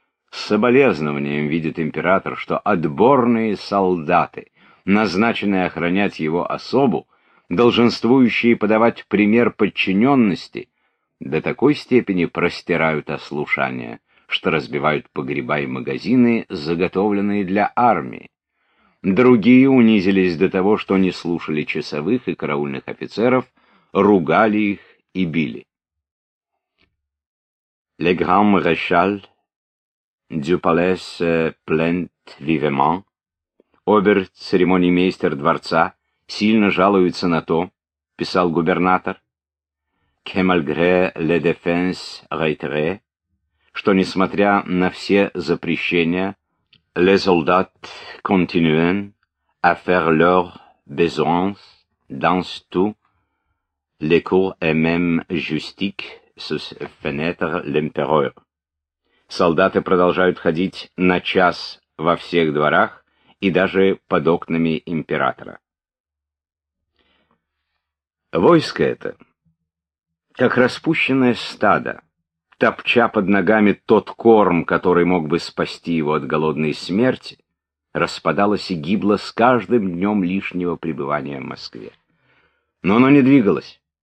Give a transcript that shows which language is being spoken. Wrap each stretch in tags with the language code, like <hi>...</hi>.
<ru>С соболезнованием видит император, что отборные солдаты, назначенные охранять его особу, долженствующие подавать пример подчиненности, до такой степени простирают ослушание, что разбивают погреба и магазины, заготовленные для армии. Другие унизились до того, что не слушали часовых и караульных офицеров, ругали их и били.</ru> <fr>Le grand maréchal du palais plaint vivement.</fr> <ru>Обер-церемониймейстер дворца сильно жалуется на то, писал губернатор,</ru> <fr>que malgré les défenses réitérées,</fr> <ru>что, несмотря на все запрещения,</ru> <fr>les soldats continuent à faire leurs besoins dans tout les cours et même justiques sous fenêtres l'empereur.</fr> <ru>Солдаты продолжают ходить на час во всех дворах и даже под окнами императора. Войско это, как распущенное стадо, топча под ногами тот корм, который мог бы спасти его от голодной смерти, распадалось и гибло с каждым днем лишнего пребывания в Москве. Но оно не двигалось.</ru>